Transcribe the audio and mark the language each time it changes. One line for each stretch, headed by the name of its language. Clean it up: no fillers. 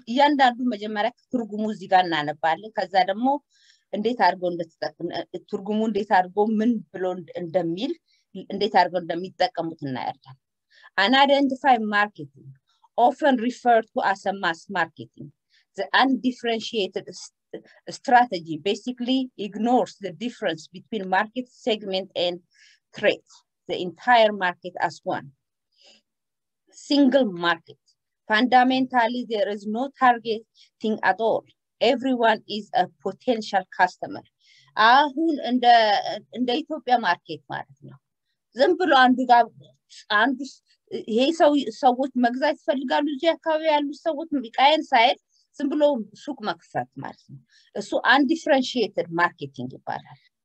Amharic: እያንዳንዱ መጀመሪያ ትርጉሙ እዚህ ጋር እናነባለን፣ ከዛ ደግሞ እንዴት አድርገው እንደተጠቀሙ ትርጉሙ እንዴት አድርገው ምን ብሎ እንደሚል እንዴት አድርገው እንደሚጠቀሙት እናያለን።
English: አንአይደንቲፋይድ ማርኬቲንግ often referred to as a mass marketing. the undifferentiated strategy basically ignores the difference between market segment and trade, the entire market as one single market. Fundamentally, there is no targeting at all. Everyone is a potential customer.
Amharic: አሁን እንደ ኢትዮጵያ ማርኬት ማለት ነው። ዝም ብሎ አንዱ ጋር አንዱ ይሄ ሰዎች መግዛት ይፈልጋሉ እዚህ አካባቢ ያሉ ሰዎች ቢቀየን ሳይድ ዝም ብሎ ሱቅ መክፈት ማለት ነው። እሱ አንዲፍረንሺየትድ ማርኬቲንግ ይባላል።